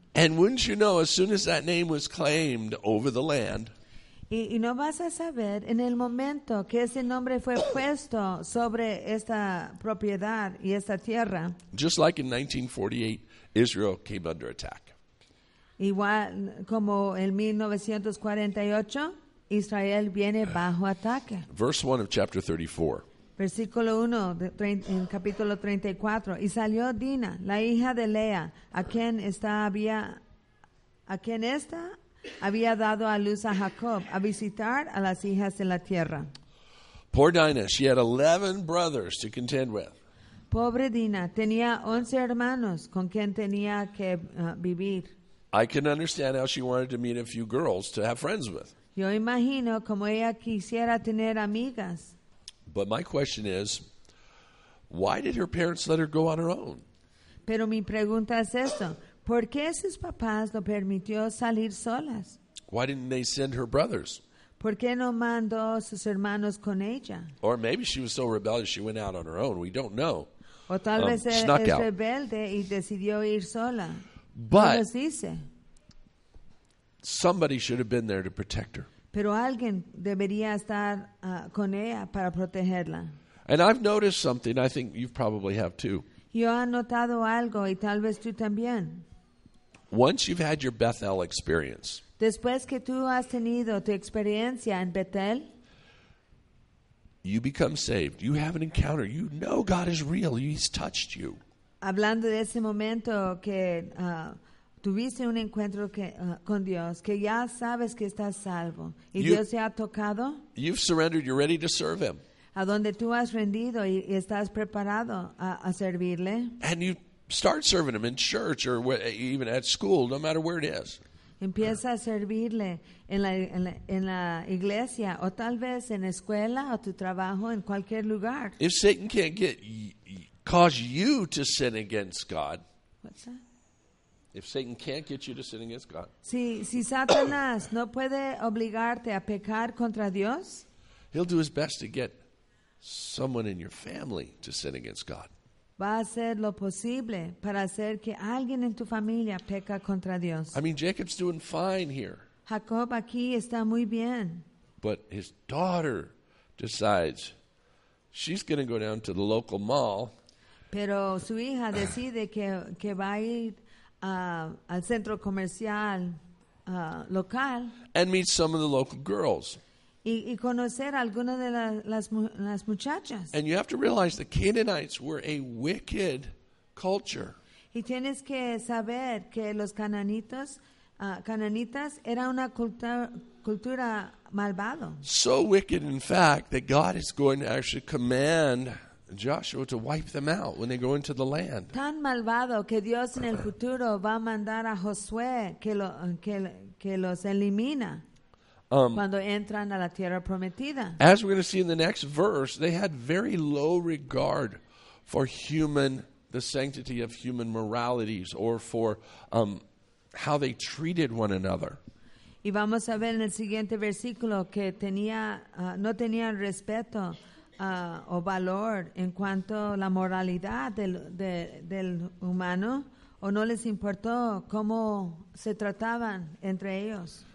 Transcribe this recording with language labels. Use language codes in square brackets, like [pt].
[en] And wouldn't you know, as soon as that name was claimed over the land, [es] y no vas a saber en el momento que ese nombre fue puesto sobre esta propiedad y esta tierra. [en] Just like in 1948, Israel came under attack. [es] Igual como en 1948, Israel viene bajo ataque. [en] Verse 1 of chapter 34. [es] Versículo 1, en capítulo 34. Y salió Dina, la hija de Lea, a quien esta había dado a luz a Jacob, a visitar a las hijas de la tierra. [en] Poor Dinah, she had 11 brothers to contend with. [es] Pobre Dina, tenía 11 hermanos con quien tenía que vivir. [en] I can understand how she wanted to meet a few girls to have friends with. [es] Yo imagino como ella quisiera tener amigas. [en] But my question is, why did her parents let her go on her own? [es] Pero mi pregunta es esto, ¿por qué sus papás lo permitió salir solas? [en] Why didn't they send her brothers? [es] ¿Por qué no mandó sus hermanos con ella? [en] Or maybe she was so rebellious she went out on her own. We don't know. [es] O tal vez es rebelde y decidió ir sola. [en] But [es] dice? [en] Somebody should have been there to protect her. [es] Pero alguien debería estar con ella para protegerla. [en] And I've noticed something, I think you probably have too. [es] Yo he notado algo y tal vez tú también. [en] Once you've had your Bethel experience. [es] Después que tú has tenido tu experiencia en Betel, [en] you become saved. You have an encounter. You know God is real. He's touched you. [es] Hablando de ese momento que tuviste un encuentro con Dios, que ya sabes que estás salvo y Dios te ha tocado. [en] You've surrendered, you're ready to serve him. [es] A donde tú has rendido y estás preparado a servirle. [en] And you start serving him in church or even at school, no matter where it is. [es] Empieza a servirle en la iglesia o tal vez en escuela o tu trabajo en cualquier lugar. [en] If Satan can't cause you to sin against God. What's that? If Satan can't get you to sin against God. [es] Si Satanás no puede obligarte a pecar contra Dios, [en] he'll do his best to get someone in your family to sin against God. [es] Va a hacer lo posible para hacer que alguien en tu familia peca contra Dios. [en] I mean, Jacob's doing fine here. [es] Jacob aquí está muy bien. [en] But his daughter decides she's going to go down to the local mall. [es] Pero su hija decide que va a ir al centro comercial local [en] and meet some of the local girls. [es] y conocer alguna de las muchachas. [en] And you have to realize the Canaanites were a wicked culture. [es] Y tienes que saber que los cananitos, cananitas era una cultura malvado. [en] So wicked, in fact, that God is going to actually command Joshua to wipe them out when they go into the land. [es] Tan malvado que Dios en el futuro va a mandar a Josué que los elimina cuando entran a la tierra prometida. [en] As we're going to see in the next verse, they had very low regard for the sanctity of human moralities, or for how they treated one another. [es] Y vamos a ver en el siguiente versículo que tenía no tenían respeto o valor en cuanto a la moralidad del humano, o no les importó cómo se trataban entre ellos.